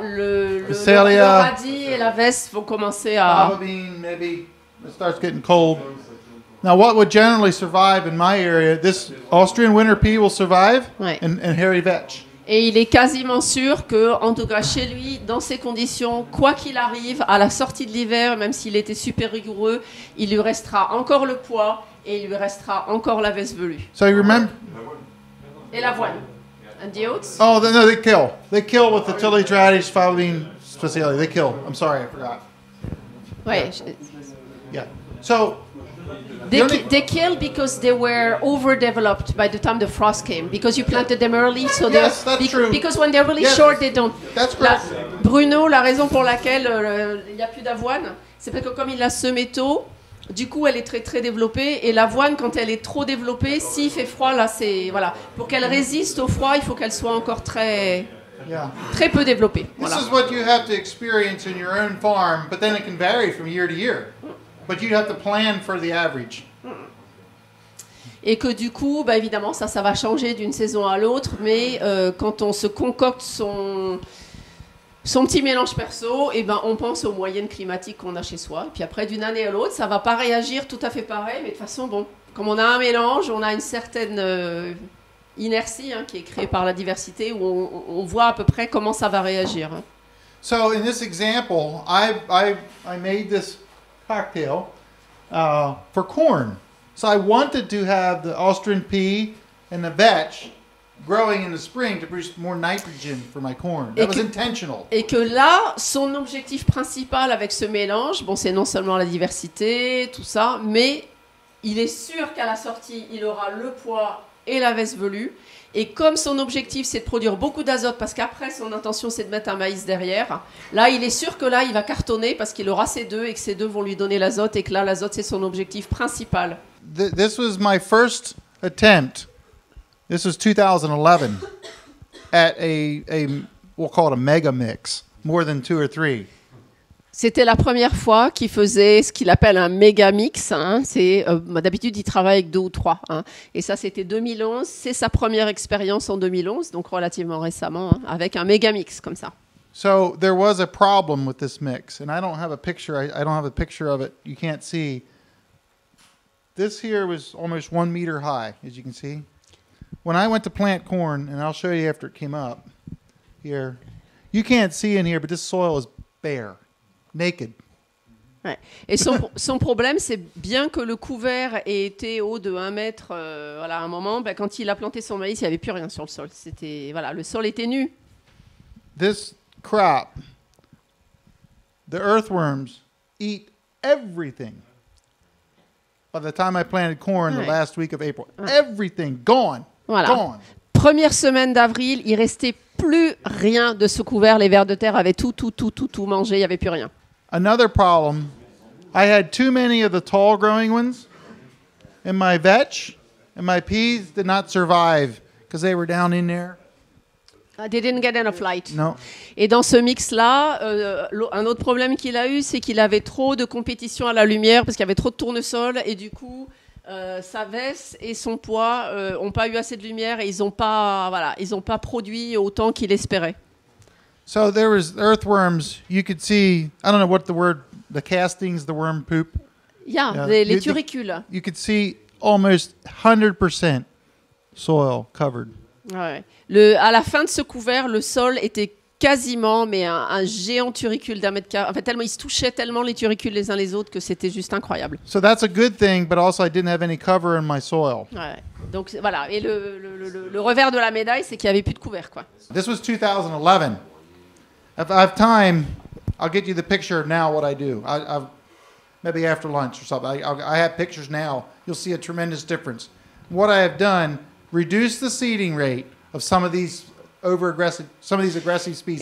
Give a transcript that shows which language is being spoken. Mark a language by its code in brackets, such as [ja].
[fr] le radis et la veste vont commencer à. [en] Bobbing, maybe it starts getting cold. Now, what would generally survive in my area? This Austrian winter pea will survive, [fr] ouais. [en] and hairy vetch. [fr] Et il est quasiment sûr que, en tout cas chez lui, dans ces conditions, quoi qu'il arrive, à la sortie de l'hiver, même s'il était super rigoureux, il lui restera encore le pois et il lui restera encore la veste velue. [en] So you remember? [fr] Et l'avoine. [en] And the oats? Oh, no, they kill. They kill with the Tilidradish fowling speciality. They kill. I'm sorry, I forgot. [fr] Ouais. [en] Yeah. So... They kill because they were overdeveloped by the time the frost came. Because you planted them early, so yes, that's true. Because when they're really short, they don't. That's correct. [fr] Bruno, la raison pour laquelle il n'y a plus d'avoine, c'est parce que comme il l'a semé tôt, du coup, elle est très très développée. Et l'avoine, quand elle est trop développée, s'il fait froid, là, c'est voilà. Pour qu'elle résiste au froid, il faut qu'elle soit encore très peu développée. [en] This [fr] voilà. [en] is what you have to experience in your own farm, but then it can vary from year to year. But you have to plan for the average. [fr] Et que du coup, bah évidemment, ça va changer d'une saison à l'autre. Mais quand on se concocte son petit mélange perso, et ben on pense aux moyennes climatiques qu'on a chez soi. Et puis après, d'une année à l'autre, ça va pas réagir tout à fait pareil. Mais de façon, bon, comme on a un mélange, on a une certaine inertie hein, qui est créée par la diversité où on voit à peu près comment ça va réagir. Hein. [en] So in this example, I made this. Cocktail for corn. So I wanted to have the Austrian pea and the vetch growing in the spring to produce more nitrogen for my corn. That was intentional. [fr] Et que là, son objectif principal avec ce mélange, bon, c'est non seulement la diversité, tout ça, mais il est sûr qu'à la sortie, il aura le pois et la veste velue. Et comme son objectif, c'est de produire beaucoup d'azote, parce qu'après, son intention, c'est de mettre un maïs derrière, là, il est sûr que là, il va cartonner parce qu'il aura ses deux et que ses deux vont lui donner l'azote et que là, l'azote, c'est son objectif principal. [en] This was my first attempt. This was 2011 at a we'll call it a mega mix, more than two or three. [fr] C'était la première fois qu'il faisait ce qu'il appelle un méga mix. Hein. C'est, d'habitude, il travaille avec 2 ou 3. Hein. Et ça, c'était 2011. C'est sa première expérience en 2011, donc relativement récemment, hein, avec un méga mix comme ça. [en] So there was a problem with this mix, and I don't have a picture. I don't have a picture of it. You can't see. This here was almost 1 meter high, as you can see. When I went to plant corn, and I'll show you after it came up here, you can't see in here, but this soil is bare. Naked. [fr] Ouais. Et son problème, c'est bien que le couvert ait été haut de 1 mètre voilà, à un moment, ben, quand il a planté son maïs, il n'y avait plus rien sur le sol. C'était, voilà, le sol était nu. [en] This crop, the earthworms eat everything. By the time I planted corn, ouais. The last week of April, ouais. Everything gone. [fr] Voilà. [en] Gone. [fr] Première semaine d'avril, il restait plus rien de ce couvert. Les vers de terre avaient tout mangé. Il n'y avait plus rien. [en] Another problem, I had too many of the tall growing ones, and my vetch and my peas did not survive because they were down in there. They didn't get enough light. No. [fr] Et dans ce mix-là, un autre problème qu'il a eu, c'est qu'il avait trop de compétition à la lumière parce qu'il y avait trop de tournesol et du coup, sa veste et son poids n'ont pas eu assez de lumière et ils n'ont pas, voilà, ils n'ont pas produit autant qu'il espérait. [en] So there was earthworms. You could see. I don't know what the word, the castings, the worm poop. [fr] Yeah, les turicules. [en] You could see almost 100% soil covered. [fr] Ouais. Le, à la fin de ce couvert, le sol était quasiment, mais un géant turricule d'un mètre carré. En fait, tellement, ils se touchaient tellement les turicules les uns les autres que c'était juste incroyable. [en] So that's a good thing, but also I didn't have any cover in my soil. [fr] Ouais. Donc voilà, et le revers de la médaille, c'est qu'il n'y avait plus de couvert, quoi. [en] This was 2011. If I have time, I'll get you the picture now what I do. Maybe after lunch or something. I have pictures now. You'll see a tremendous difference. What I have done, reduce the seeding rate of some of these over-aggressive, some of these aggressive species.